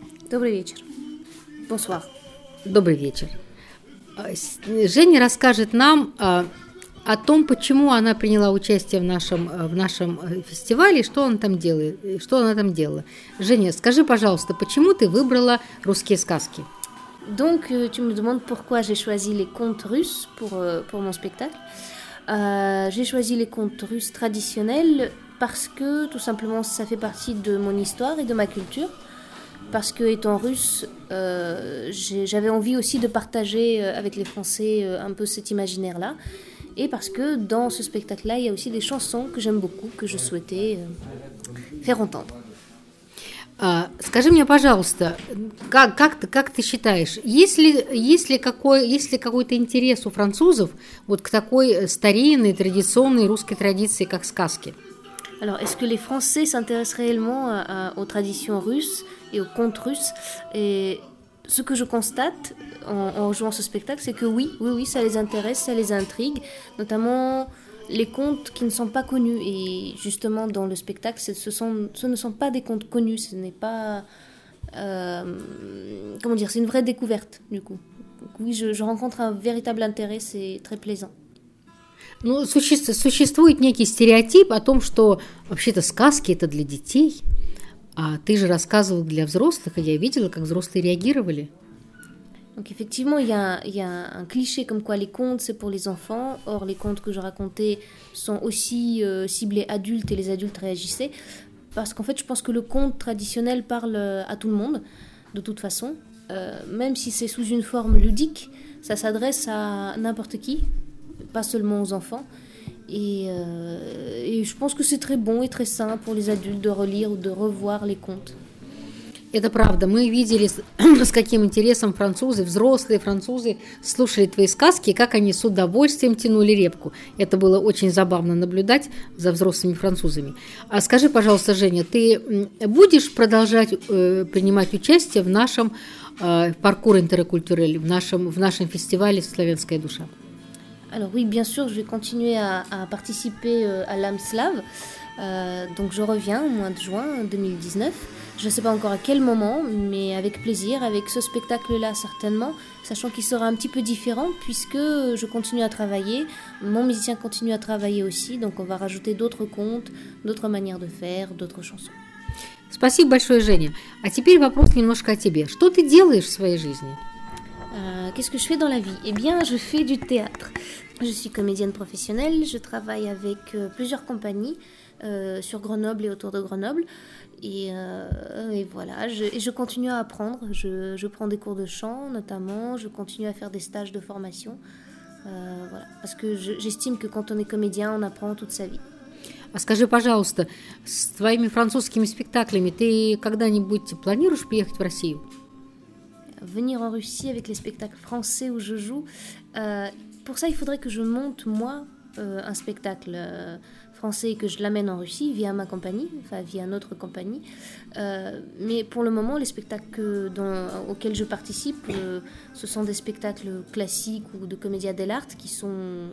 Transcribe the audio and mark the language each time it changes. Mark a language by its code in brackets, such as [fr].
[ru] Добрый вечер! Бонсуар! Добрый вечер! Женя расскажет нам о том, почему она приняла участие в нашем фестивале, что она там делает, что она там делала. Женя, скажи, пожалуйста, почему ты выбрала русские сказки? [fr] Donc, tu me demandes pourquoi j'ai choisi les contes russes pour mon spectacle. J'ai choisi les contes russes traditionnels parce que, tout simplement, ça fait partie de mon histoire et de ma culture. Parce que, étant russe, j'avais envie aussi de partager avec les Français un peu cet imaginaire-là. Et parce que dans ce spectacle-là, il y a aussi des chansons que j'aime beaucoup, que je souhaitais faire entendre. [ru] Скажи мне, пожалуйста, как ты считаешь, есть ли какой-то интерес у французов вот к такой старинной, традиционной русской традиции, как сказки? [fr] Alors, est-ce que les Français s'intéressent réellement aux traditions russes et aux contes russes? Et ce que je constate en jouant ce spectacle, c'est que oui, ça les intéresse, ça les intrigue, notamment les contes qui ne sont pas connus. Et justement, dans le spectacle, ce ne sont pas des contes connus, ce n'est pas... comment dire, c'est une vraie découverte, du coup. Donc oui, je rencontre un véritable intérêt, c'est très plaisant. [ru] Ну, существует некий стереотип о том, что вообще-то сказки – это для детей. А ты же рассказывал для взрослых, а я видела, как взрослые реагировали. [fr] Donc effectivement, il y a un cliché comme quoi les contes, c'est pour les enfants. Or, les contes que je racontais sont aussi ciblés adultes et les adultes réagissaient. Parce qu'en fait, je pense que le conte traditionnel parle à tout le monde, de toute façon. Même si c'est sous une forme ludique, ça s'adresse à n'importe qui, pas seulement aux enfants. Et je pense que c'est très bon et très sain pour les adultes de relire ou de revoir les contes. [ru] Это правда. Мы видели, с каким интересом французы, взрослые французы, слушали твои сказки, как они с удовольствием тянули репку. Это было очень забавно наблюдать за взрослыми французами. А скажи, пожалуйста, Женя, ты будешь продолжать принимать участие в нашем паркур интеркультурель, в нашем фестивале «Славянская душа»? [fr] Alors oui, bien sûr, je vais continuer à participer à l'âme slave. Donc je reviens au mois de juin 2019. Je ne sais pas encore à quel moment, mais avec plaisir, avec ce spectacle-là certainement, sachant qu'il sera un petit peu différent puisque je continue à travailler, mon musicien continue à travailler aussi, donc on va rajouter d'autres contes, d'autres manières de faire, d'autres chansons. [ru] Спасибо большое, Женя. А теперь вопрос немножко о тебе. Что ты делаешь в своей жизни? [fr] Qu'est-ce que je fais dans la vie ? Eh bien, je fais du théâtre. Je suis comédienne professionnelle, je travaille avec plusieurs compagnies sur Grenoble et autour de Grenoble. Et voilà, je continue à apprendre. Je prends des cours de chant, notamment. Je continue à faire des stages de formation. Voilà. Parce que j'estime que quand on est comédien, on apprend toute sa vie. [ru] А скажи, пожалуйста, с твоими французскими спектаклями ты когда-нибудь планируешь приехать в Россию? [fr] Venir en Russie avec les spectacles français où je joue. Pour ça, il faudrait que je monte moi un spectacle français et que je l'amène en Russie via ma compagnie, enfin via notre compagnie. Mais pour le moment, les spectacles auxquels je participe, ce sont des spectacles classiques ou de comédia dell'arte qui sont.